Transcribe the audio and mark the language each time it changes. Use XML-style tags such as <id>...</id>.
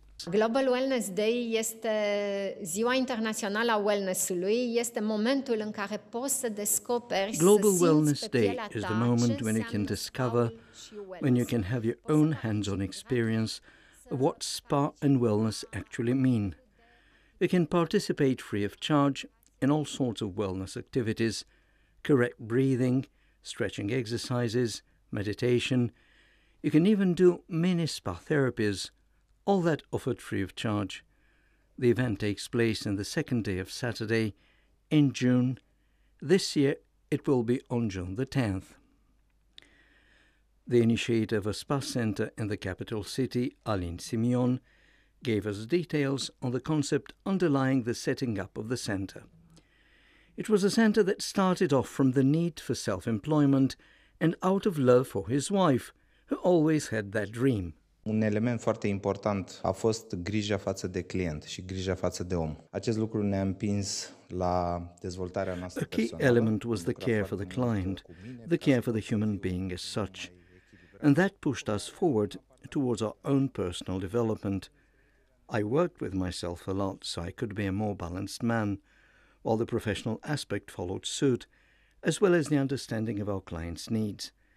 <ro>Global Wellness Day este ziua internațională a wellness-ului, este momentul în care poți să descoperi.</ro> <en>Global Wellness Day is the moment when you can discover, when you can have your own hands-on experience of what spa and wellness actually mean. You can participate free of charge in all sorts of wellness activities, correct breathing, stretching exercises, meditation. You can even do mini spa therapies, all that offered free of charge. The event takes place on the second day of Saturday in June. This year it will be on June the 10th. The initiator of a spa center in the capital city, Aline Simeon, gave us details on the concept underlying the setting up of the center. It was a center that started off from the need for self-employment and out of love for his wife, who always had that dream.</en> <ro>Un element foarte important a fost grija față de client și grija față de om. Acest lucru ne-a împins la dezvoltarea noastră personală.</ro> <en>A key element was the care for the client, the care for the human being as such. And that pushed us forward towards our own personal development. I worked with myself a lot so I could be a more balanced man, while the professional aspect followed suit, as well as the understanding of our clients' needs.</en>